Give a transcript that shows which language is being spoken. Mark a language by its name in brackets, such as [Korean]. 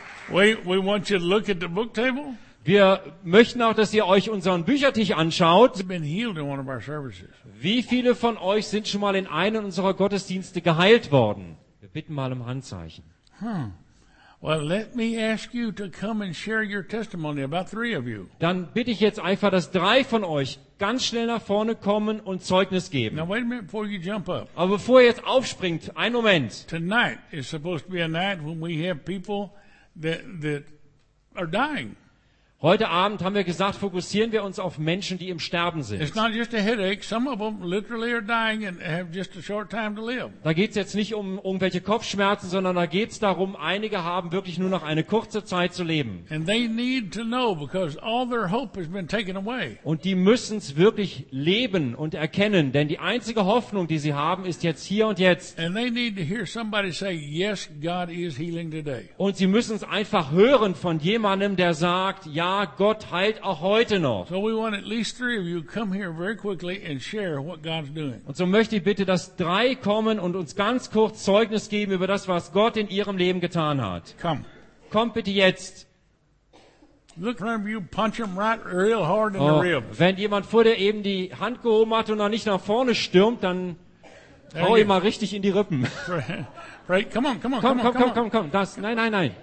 [English] We want you to look at the book table. [German] Wir möchten auch, dass ihr euch unseren Büchertisch anschaut. [English] You've been healed in one of our services. [German] Wie viele von euch sind schon mal in einem unserer Gottesdienste geheilt worden? Wir bitten mal um Handzeichen. [English] Well, let me ask you to come and share your testimony, about three of you. [German] Dann bitte ich jetzt einfach, dass drei von euch ganz schnell nach vorne kommen und Zeugnis geben. [English] Now wait a minute before you jump up. [German] Aber bevor ihr jetzt aufspringt, einen Moment. [English] Tonight is supposed to be a night when we have people that are dying. [German] Heute Abend haben wir gesagt, fokussieren wir uns auf Menschen, die im Sterben sind. [English] It's not just a headache. Some of them literally are dying and have just a short time to live. [German] Da geht's jetzt nicht um irgendwelche Kopfschmerzen, sondern da geht's darum, einige haben wirklich nur noch eine kurze Zeit zu leben. [English] And they need to know because all their hope has been taken away. [German] Und die müssen's wirklich leben und erkennen, denn die einzige Hoffnung, die sie haben, ist jetzt hier und jetzt. [English] And they need to hear somebody say, "Yes, God is healing today." [German] Und sie müssen's einfach hören von jemandem, der sagt, ja, Gott heilt auch heute noch. [English] So we want at least three of you come here very quickly and share what God's doing. [German] Und so möchte ich bitte, dass drei kommen und uns ganz kurz Zeugnis geben über das, was Gott in ihrem Leben getan hat. [English] Come. [German] Kommt bitte jetzt. [English] Look around you, punch him right real hard in the ribs. [German] Wenn jemand vor dir eben die Hand gehoben hat und noch nicht nach vorne stürmt, dann hau ihm mal richtig in die Rippen. [English] Right, come on, come on, come on. [German] Komm, komm, komm, komm, das, nein, nein, nein.